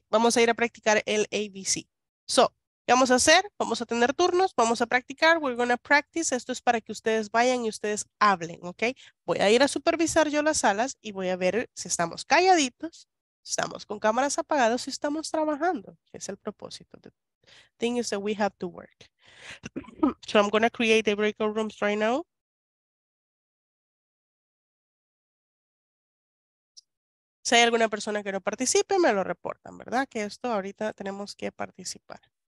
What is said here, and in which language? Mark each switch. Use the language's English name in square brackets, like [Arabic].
[Spanish] Vamos a ir a practicar el ABC. So. ¿Qué vamos a hacer? Vamos a tener turnos, vamos a practicar, [English] we're gonna practice. [Spanish] Esto es para que ustedes vayan y ustedes hablen, ¿ok? Voy a ir a supervisar yo las salas y voy a ver si estamos calladitos, si estamos con cámaras apagadas, si estamos trabajando. Es el propósito. [English] The thing is that we have to work. So I'm gonna create a breakout rooms right now. [Spanish] Si hay alguna persona que no participe, me lo reportan, ¿verdad? Que esto ahorita tenemos que participar.